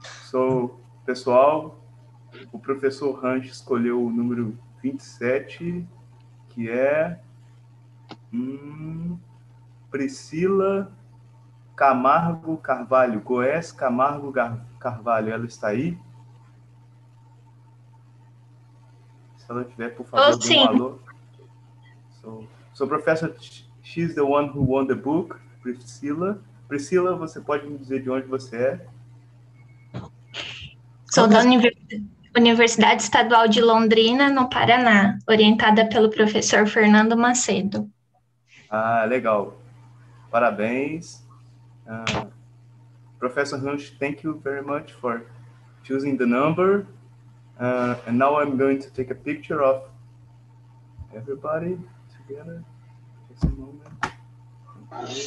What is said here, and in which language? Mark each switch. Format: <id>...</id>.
<pt>So, pessoal, o professor Hans escolheu o número 27, que é Priscila Camargo Carvalho, Goés Camargo Carvalho, ela está aí? Se ela tiver, por favor, dê um alô.</pt> <en>So professor, she's the one who won the book, Priscila.</en> <pt>Priscila, você pode me dizer de onde você é? Sou da Universidade Estadual de Londrina, no Paraná, orientada pelo professor Fernando Macedo. Ah, legal. Parabéns.</pt> <en>Professor Wünsch, thank you very much for choosing the number. And now I'm going to take a picture of everybody together. Just a moment.</en>